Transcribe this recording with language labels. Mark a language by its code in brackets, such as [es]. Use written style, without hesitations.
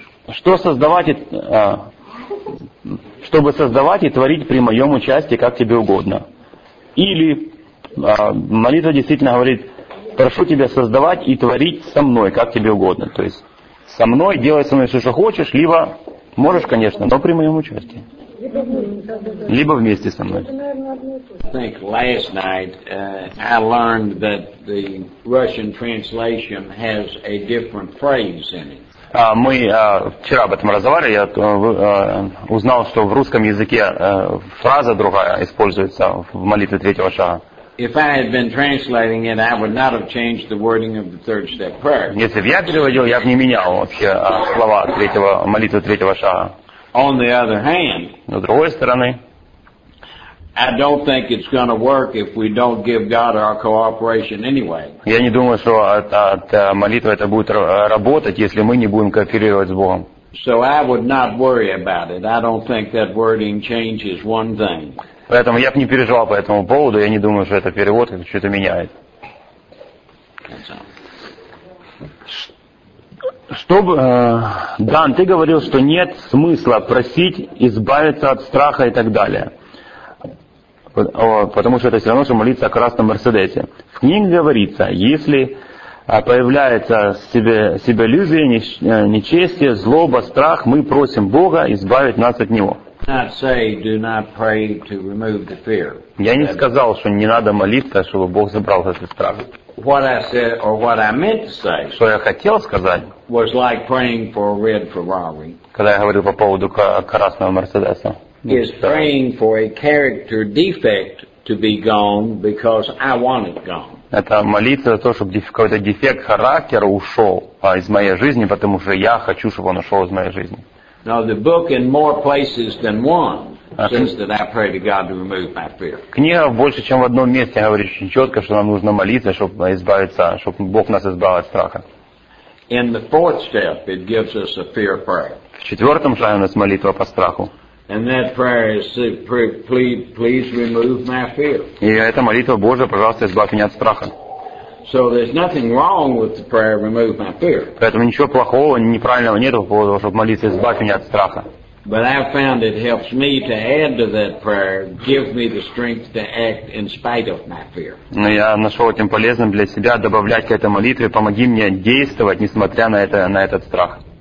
[ru] Что создавать, чтобы создавать и творить при моем участии, как тебе угодно. Или молитва действительно говорит, прошу тебя создавать и творить со мной, как тебе угодно. То есть со мной, делай со мной все, что хочешь, либо можешь, конечно, но при моем участии. Либо вместе со мной. [en] I think last night I learned that the Russian translation has a different phrase in it. [ru] Мы вчера об этом разговаривали, я узнал, что в русском языке фраза другая используется в молитве третьего шага. [en] If I had been translating it, I would not have changed the wording of the third step prayer. [ru] Если бы я переводил, я бы не менял вообще слова третьего молитвы третьего шага. [en] On the other hand, [ru] на другой стороне, [en] I don't think it's going to work if we don't give God our cooperation anyway. [ru] Я не думаю, что эта молитва это будет работать, если мы не будем кооперировать с Богом. [en] So I would not worry about it. I don't think that wording changes one thing. [ru] Поэтому я бы не переживал по этому поводу. Я не думаю, что это перевод это что-то меняет. Чтобы, Дан, ты говорил, что нет смысла просить избавиться от страха и так далее. Потому что это все равно, что молиться о красном Мерседесе. В книге говорится, если появляется себялюбие, нечестие, злоба, страх, мы просим Бога избавить нас от него. Я не сказал, что не надо молиться, чтобы Бог забрал этот страх. [en] What I said or what I meant to say, [ru] что я хотел сказать, [en] was like praying for a red Ferrari. [ru] Когда я говорил по поводу красного Мерседеса. [en] Is praying for a character defect to be gone because I want it gone. [ru] Это молитва за то, чтобы какой-то дефект характера ушел из моей жизни, потому что я хочу, чтобы он ушел из моей жизни. [en] Now the book in more places than one says that I pray to God to remove my fear. [ru] Книга больше, чем в одном месте говорит очень четко, что нам нужно молиться, чтобы избавиться, чтобы Бог нас избавил от страха. [en] In the fourth step, it gives us a fear prayer. [ru] В четвертом шаге у нас молитва по страху. [en] And that prayer is please remove my fear. [ru] И эта молитва, Боже, пожалуйста, избавь меня от страха. [en] So there's nothing wrong with the prayer remove my fear. [ru] Поэтому ничего плохого, неправильного нет в поводу, чтобы молиться избавь меня от страха. [en] But I found it helps me to add to that prayer, give me the strength to act in spite of my fear. [ru] Но я нашел этим полезным для себя добавлять к этой молитве, помоги мне действовать, несмотря на это, на этот страх.